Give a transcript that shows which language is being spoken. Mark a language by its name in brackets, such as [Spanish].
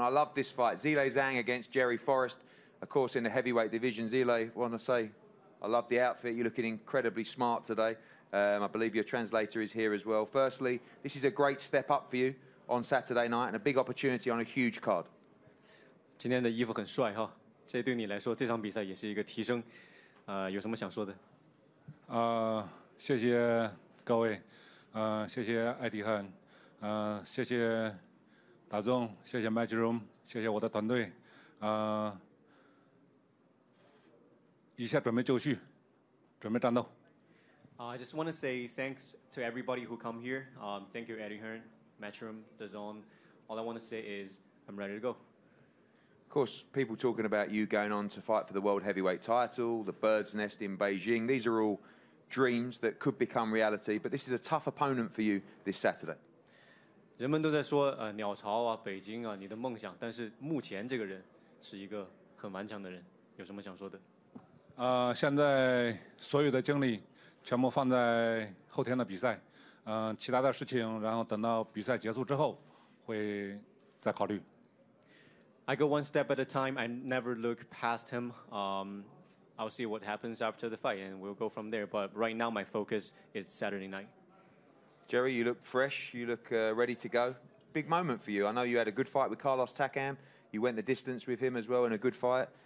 [English] And I love this fight, Zile Zhang against Jerry Forrest. Of course, in the heavyweight division, Zile, I want to say, I love the outfit. You're looking incredibly smart today. I believe your translator is here as well. Firstly, this is a great step up for you on Saturday night and a big opportunity on a huge card. [Chinese] 今天的衣服很帅, 这对你来说, 这场比赛也是一个提升, 有什么想说的? 谢谢各位, 谢谢艾迪汉, 谢谢大众, 谢谢 Matchroom, 谢谢我的团队, 一下准备就绪, 准备战斗。 [English] I just want to say thanks to everybody who come here. Thank you, Eddie Hearn, Matchroom, DAZN. All I want to say is I'm ready to go. Of course, people talking about you going on to fight for the world heavyweight title, the bird's nest in Beijing. These are all dreams that could become reality, but this is a tough opponent for you this Saturday. [Chinese] 人们都在说, 鸟巢啊, 北京啊, 你的梦想, 但是目前这个人是一个很顽强的人, 有什么想说的? 现在所有的经历 全部放在后天的比赛, 其他的事情, 然后等到比赛结束之后, 会再考虑。 [English] I go one step at a time. I never look past him. I'll see what happens after the fight, and we'll go from there. But right now, my focus is Saturday night. Jerry, you look fresh. You look ready to go. Big moment for you. I know you had a good fight with Carlos Takam. You went the distance with him as well in a good fight.